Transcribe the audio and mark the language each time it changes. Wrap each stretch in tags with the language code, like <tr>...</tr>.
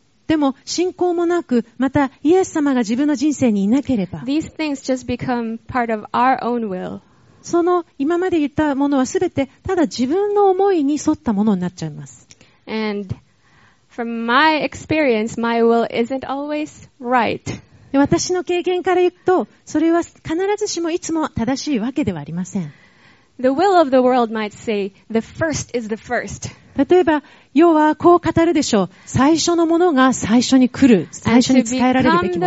<ja>でも信仰もなく、またイエス様が自分の人生にいなければ、</ja> <en>These things just become part of our own will.</en> <ja>その今まで言ったものはすべてただ自分の思いに沿ったものになっちゃいます。</ja> <en>AndFrom my experience, my will isn't always right.</en> <ja>私の経験から言うと、それは必ずしもいつも正しいわけではありません。</ja> <en>The will of the world might say, the first is the first.</en> <ja>例えば、世はこう語るでしょう。最初のものが最初に来る。最初に使えられるべきもの。</ja>